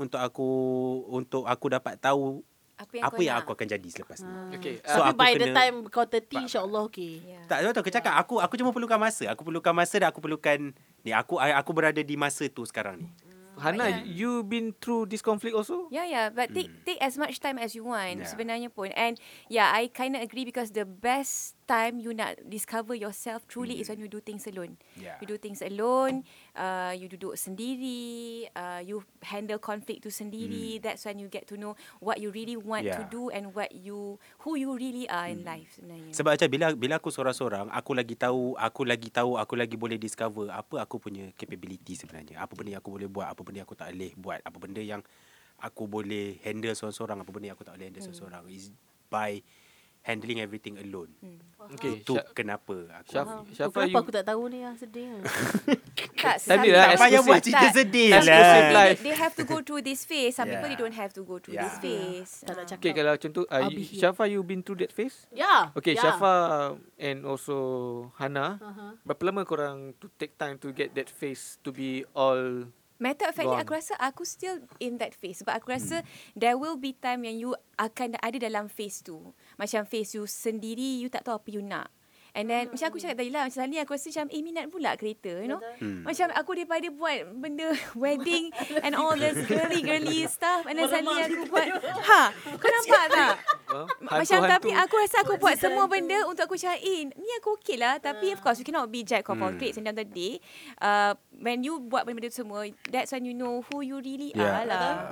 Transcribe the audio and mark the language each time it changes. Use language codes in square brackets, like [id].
[ms] Untuk aku dapat tahu apa yang aku akan jadi selepas ni. Okay. So tapi [en] by the time [ms] kau 30, insyaAllah okay. Yeah. Tak, tahu aku cakap, aku cuma perlukan masa. Aku perlukan masa dan aku perlukan ni, aku berada di masa tu sekarang ni. [en] Hana, you been through this conflict also? Yeah, but take as much time as you want [ms] sebenarnya pun. [en] And I kind of agree, because the best time you [ms] nak [en] discover yourself truly is when you do things alone. Yeah. You do things alone, you [ms] duduk sendiri, [en] you handle conflict tu sendiri. Mm. That's when you get to know what you really want to do and who you really are in life [ms] sebenarnya. Sebab macam bila aku sorang-sorang, aku lagi tahu, aku lagi boleh discover apa aku punya capability sebenarnya. Apa benda yang aku boleh buat, apa benda yang aku tak boleh buat, apa benda yang aku boleh handle sorang-sorang, apa benda yang aku tak boleh handle sorang-sorang. [en] Is by handling everything alone. Okay. [ms] Itu kenapa aku. Kenapa aku tak tahu ni, yang sedih. Tak payah buat cerita sedih [en] lah. They have to go through this phase. Some people, they don't have to go through this phase. [ms] Tak nak cakap. [en] Okay, kalau contoh, Syafa, you been through that phase? Yeah. Okay, Syafa and also Hana. [ms] Berapa lama korang [en] to take time to get that phase to be all... Matter of fact, aku rasa aku still in that phase. [ms] Sebab aku rasa [en] there will be time [ms] yang you akan ada dalam phase tu. Macam phase you sendiri, you tak tahu apa you nak. And then, macam aku cakap tadi lah, macam tadi aku rasa macam, minat pula kereta, [en] you know. [ms] Macam aku daripada buat benda wedding [en] and all this girly stuff. [ms] And then suddenly aku buat, kau nampak tak? Macam tapi aku rasa aku buat semua benda untuk aku cakap, ni aku okay lah. Tapi [en] of course, you cannot be jack of all trades. And then the day, when you [ms] buat benda-benda tu semua, [en] that's when you know who you really are lah.